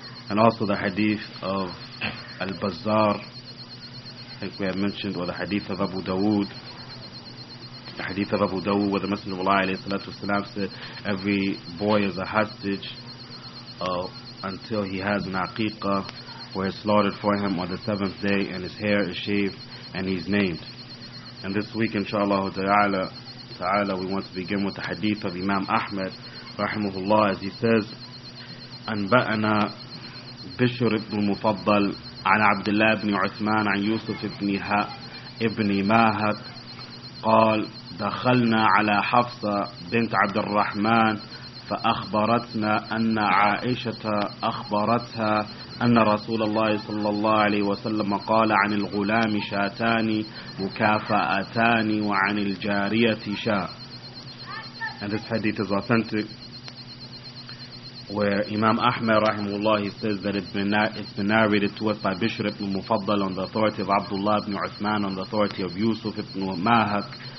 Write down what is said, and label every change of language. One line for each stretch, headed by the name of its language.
English: And also the hadith of Al-Bazzar, I think we have mentioned, or the hadith of Abu Dawood, the hadith of Abu Dawud, where the Messenger of Allah والسلام, said, every boy is a hostage until he has an aqiqah, where it's slaughtered for him on the seventh day, and his hair is shaved, and he's named. And this week, inshallah ta'ala, we want to begin with the hadith of Imam Ahmad, rahimahullah, as he says,
Arabic: أَنْبَأَنَا بِشْرِ إِبْنُ الْمُفَضَّلِ عَلَى عَبْدِ اللَّهِ بْنِ عُثْمَانَ عَنْ يُوسُفِ إِبْنِ مَاهَتْ قال دخلنا على حفصة بنت عبد الرحمن فأخبرتنا أن عائشة أخبرتها أن رسول الله صلى الله عليه وسلم قال عن الغلام شاتان مكافأتان وعن الجارية شاء.
English: And this hadith is authentic, where Imam Ahmad رحمه الله says that it's been narrated to us by Bishr ibn Mufaddal on the authority of Abdullah ibn Uthman, on the authority of Yusuf ibn Mahak,